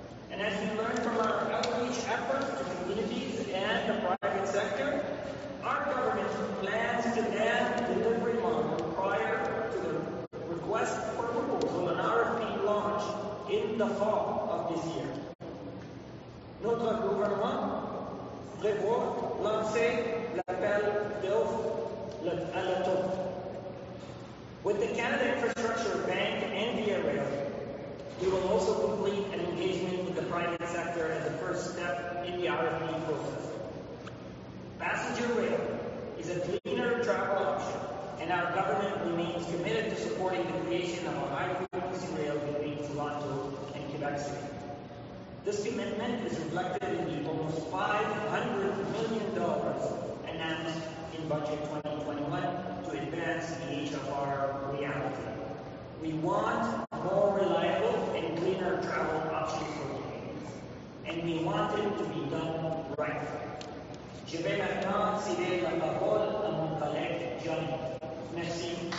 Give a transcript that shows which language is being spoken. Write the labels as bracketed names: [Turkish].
[English] And as we learn from our outreach efforts to communities and the private sector, our government plans to add delivery model prior to the request for proposal and RFP launch in the fall of this year. [French] Notre gouvernement prévoit lancer l'appel d'offre à la TOP. [English] With the Canada Infrastructure Bank and VRM, we will also complete an engagement with the private sector as a first step in the RFP process. Passenger rail is a cleaner travel option, and our government remains committed to supporting the creation of a high-frequency rail between Toronto and Quebec City. This commitment is reflected in the almost $500 million announced in Budget 2021 to advance the HFR reality. We want more reliable and cleaner travel options for Canadians, and we want it to be done right. [French] Je vais maintenant céder la parole à mon collègue Johnny. Merci.